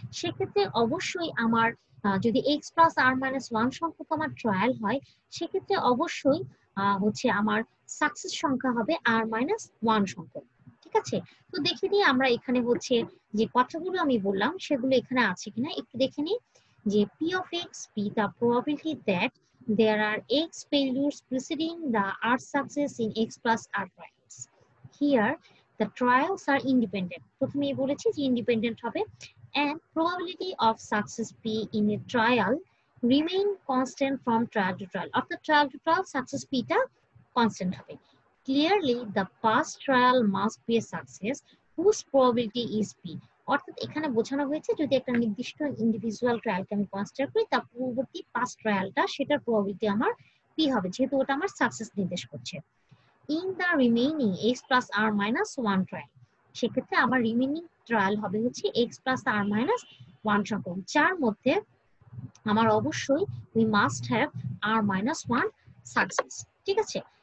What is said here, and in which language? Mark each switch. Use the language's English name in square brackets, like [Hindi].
[Bangla] সেক্ষেত্রে অবশ্যই আমার যদি x প্লাস r মাইনাস 1 সংখ্যক আমার ট্রায়াল হয়, সেক্ষেত্রে অবশ্যই হচ্ছে আমার সাকসেস সংখ্যা হবে r মাইনাস 1 সংখ্যক, ঠিক আছে? তো দেখে নিই আমরা এখানে হচ্ছে যে কথাগুলো আমি বললাম সেগুলো এখানে আছে কিনা একটু দেখে নিই। [English] যে p of x, p the probability that there are x failures preceding the r success in x plus r trials. Here, the trials are independent. [Bangla] প্রথমে বলেছি যে independent হবে, [English] and probability of success p in a trial remain constant from trial to trial. [Bangla] অর্থাৎ trial to trial success p টা constant হবে. [English] Clearly, the past trial must be a success whose probability is p. [Bangla] অর্থাৎ এখানে বোঝানো হয়েছে যদি একটা নির্দিষ্ট ইন্ডিভিজুয়াল ট্রায়ালকে আমি কনসিডার করি তার পূর্ববর্তী পাস্ট ট্রায়ালটা সেটার প্রবাবিলিটি আমার পি হবে, যেহেতু ওটা আমার সাকসেস নির্দেশ করছে। [English] in the remaining x plus r minus one trial, [Bangla] সেক্ষেত্রে আমার রিমেইনিং ট্রায়াল হবে হচ্ছে এক্স প্লাস আর মাইনাস ওয়ান সংখ্যক, যার মধ্যে আমার অবশ্যই [English] we must have r minus one success, [Bangla] ঠিক আছে?